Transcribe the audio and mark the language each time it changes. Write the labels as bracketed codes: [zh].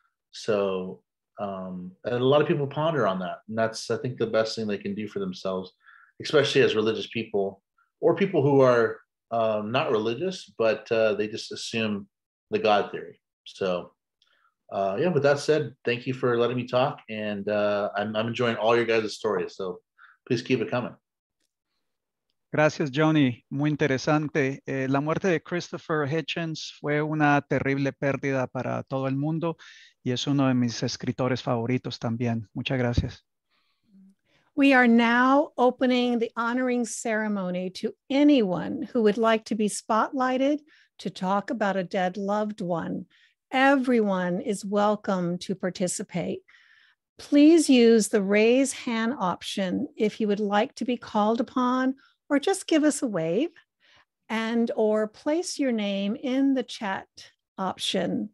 [en] So a lot of people ponder on that, and that's, I think, the best thing they can do for themselves, especially as religious people, or people who are not religious, but they just assume the God theory. So yeah, with that said, thank you for letting me talk, and I'm enjoying all your guys' stories, so please keep it coming. [es] Gracias, Johnny. Muy interesante. La muerte de Christopher Hitchens fue una terrible pérdida para todo el mundo y es uno de mis escritores favoritos también. Muchas gracias. [en] We are now opening the honoring ceremony to anyone who would like to be spotlighted to talk about a dead loved one. Everyone is welcome to participate. Please use the raise hand option if you would like to be called upon, or just give us a wave, and or place your name in the chat option.